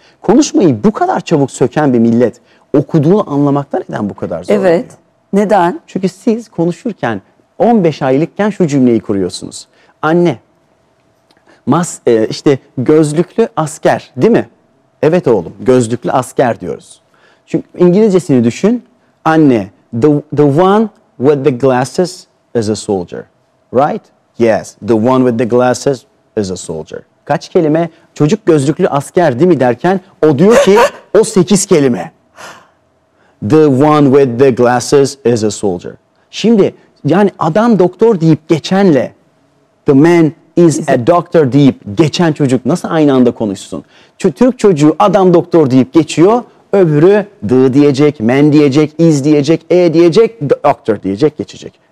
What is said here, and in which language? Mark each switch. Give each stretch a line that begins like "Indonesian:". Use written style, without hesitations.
Turkish: Konuşmayı bu kadar çabuk söken bir millet okuduğunu anlamakta neden bu kadar zorlanıyor? Evet. Neden? Çünkü siz konuşurken 15 aylıkken şu cümleyi kuruyorsunuz. Anne, işte gözlüklü asker değil mi? Evet oğlum, gözlüklü asker diyoruz. Çünkü İngilizcesini düşün.
English: Anne, the one with the glasses is a soldier. Right? Yes, the one with the glasses is a soldier.
Turkish: Kaç kelime? Çocuk gözlüklü asker değil mi derken o diyor ki o 8 kelime.
English: The one with the glasses is a soldier.
Turkish: Şimdi yani adam doktor deyip geçenle
English: the man is a doctor
Turkish: deyip geçen çocuk nasıl aynı anda konuşsun? Türk çocuğu adam doktor deyip geçiyor. Öbürü the diyecek, man diyecek, is diyecek, e diyecek, doctor diyecek, geçecek.